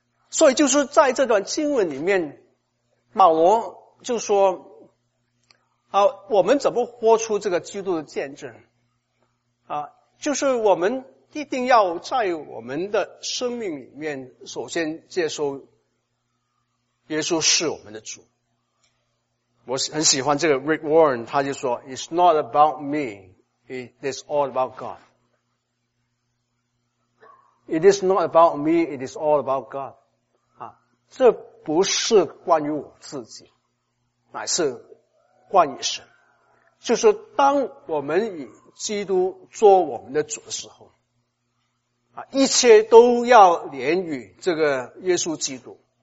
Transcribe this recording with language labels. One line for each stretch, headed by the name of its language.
Chinese: 所以就是在这段经文里面，保罗就说啊，我们怎么活出这个基督的见证啊？就是我们一定要在我们的生命里面首先接受耶稣是我们的主。我很喜欢这个
English: Rick Warren，
Chinese: 他就说
English: It's not about me, it is all about God. It is not about me, it is all about God.
Chinese: 啊，这不是关于我自己，乃是关于神。就是当我们以基督做我们的主的时候，啊，一切都要连于这个耶稣基督。